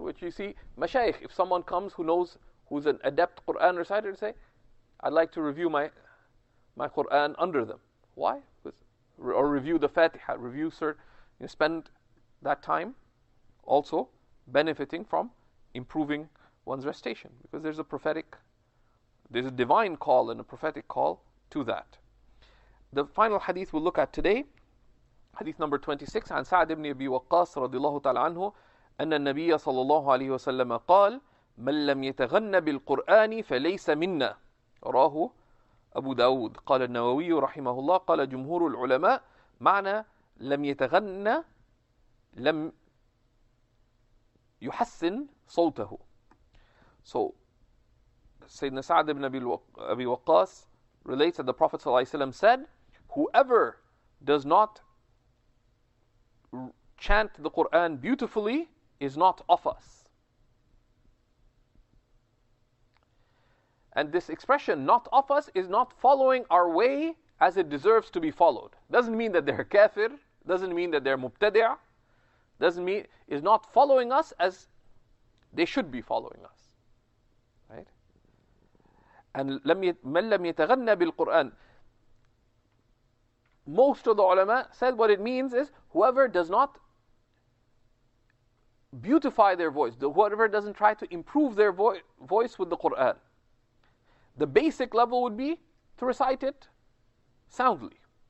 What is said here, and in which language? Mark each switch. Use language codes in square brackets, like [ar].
[en] Which you see, mashayikh, if someone comes who's an adept Quran reciter, say, I'd like to review my Qur'an under them. Why? Or review the Fatiha, spend that time also benefiting from improving one's recitation, because there's a prophetic, there's a divine call and a prophetic call to that. The final hadith we'll look at today, hadith number 26, [ar] عن سعد بن أبي وقاص رضي الله تعالى عنه أن النبي صلى الله عليه وسلم قال من لم يتغن بالقرآن فليس منا. رواه أبو داود. قال النووي رحمه الله قال جمهور العلماء معنى لم يتغن لم يحسن صوته. [en] So سيدنا سعد بن أبي وقاص relates that the Prophet [ar] صلى الله عليه وسلم [en] said whoever does not chant the Quran beautifully is not of us. And this expression, not of us, is not following our way as it deserves to be followed. Doesn't mean that they're kafir, doesn't mean that they're mubtadi'ah, doesn't mean, is not following us as they should be following us. Right? [ar] And من لم يتغنى بالقرآن. [en] Most of the ulama said what it means is whoever does not beautify their voice, whoever doesn't try to improve their voice with the Qur'an. The basic level would be to recite it soundly.